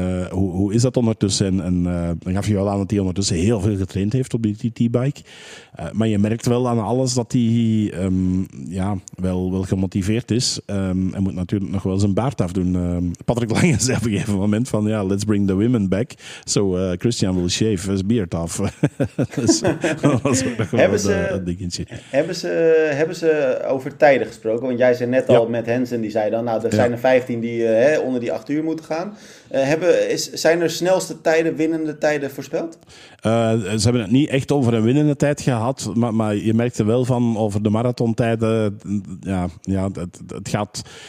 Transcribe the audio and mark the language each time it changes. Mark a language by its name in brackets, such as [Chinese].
[Dutch] Hoe is dat ondertussen? En dan gaf je wel aan dat hij ondertussen heel veel getraind heeft op die TT-bike. Maar je merkt wel aan alles dat hij wel gemotiveerd is. Hij moet natuurlijk nog wel zijn baard afdoen. Patrick Lange zei op een gegeven moment van, ja, [English] let's bring the women back. So Christian will shave his beard off. [Dutch] Dus, dat was ook nog wel een dingetje. Hebben ze over tijden gesproken? Want jij zei net al, ja, met Hansen, die zei dan, nou, er zijn er 15 die onder die 8 uur moeten gaan. Zijn er snelste tijden, winnende tijden voorspeld? Ze hebben het niet echt over een winnende tijd gehad, maar je merkte wel van over de marathontijden, het gaat...